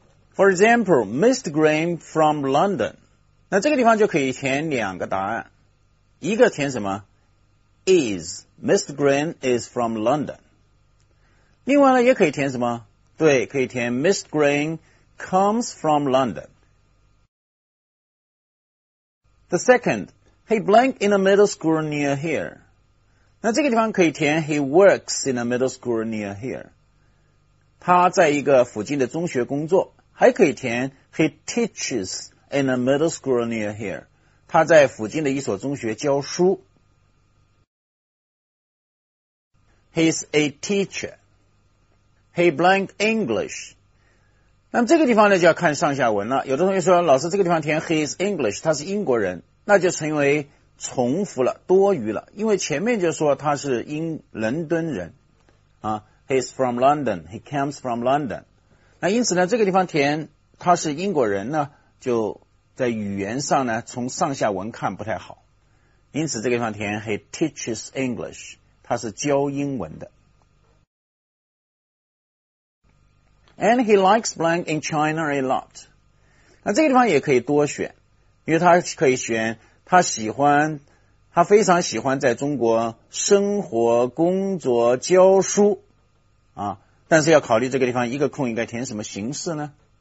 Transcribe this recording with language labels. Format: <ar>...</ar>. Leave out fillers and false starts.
<en>For example, Mr. Green from London.</en> <zh>那这个地方就可以填两个答案，一个填什么</zh> <en>is Mr. Green is from London，</en> <zh>另外呢也可以填什么，对，可以填 Mr.</zh> <en>Green comes from London. The second, he blank in a middle school near here.</en> <zh>那这个地方可以填</zh> <en>he works in a middle school near here.</en> <zh>他在一个附近的中学工作，还可以填</zh> <en>he teaches in a middle school near here.</en> <zh>他在附近的一所中学教书。</zh> <en>He's a teacher. He blank English.</en> <zh>那这个地方呢就要看上下文了。有的同学说老师这个地方填</zh> <en>his English,</en> <zh>他是英国人，那就成为重复了，多余了。因为前面就说他是英伦敦人。</zh> <en>啊 ,he's from London, he comes from London.</en> <zh>那因此呢这个地方填他是英国人呢就在语言上呢从上下文看不太好。因此这个地方填</zh> <en>he teaches English,</en> <zh>他是教英文的。</zh> <en>And he likes blank in China a lot.</en> <zh>那这个地方也可以多选，因为他可以选他喜欢，他非常喜欢在中国生活、工作、教书啊。但是要考虑这个地方一个空应该填什么形式呢？</zh>